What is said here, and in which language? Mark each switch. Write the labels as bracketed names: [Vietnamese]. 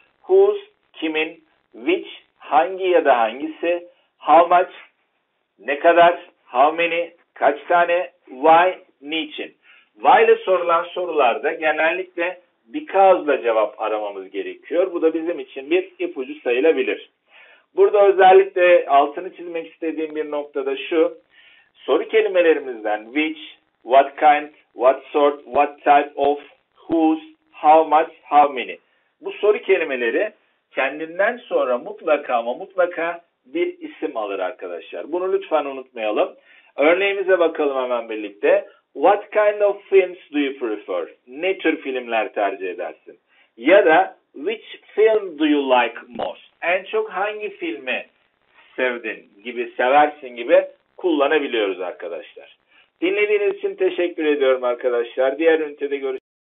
[Turkish] Whose, kimin, which, hangi ya da hangisi, how much, ne kadar, how many, kaç tane, why, niçin. Why ile sorulan sorularda genellikle because ile cevap aramamız gerekiyor. Bu da bizim için bir ipucu sayılabilir. Burada özellikle altını çizmek istediğim bir nokta da şu. Soru kelimelerimizden which, what kind, what sort, what type of, whose, how much, how many. Bu soru kelimeleri kendinden sonra mutlaka ama mutlaka bir isim alır arkadaşlar. Bunu lütfen unutmayalım. Örneğimize bakalım hemen birlikte. [English] What kind of films do you prefer? [Turkish] Ne tür filmler tercih edersin? Ya da [English] which film do you like most? [Turkish] En çok hangi filmi sevdin gibi, seversin gibi kullanabiliyoruz arkadaşlar. Dinlediğiniz için teşekkür ediyorum arkadaşlar. Diğer ünitede görüşürüz.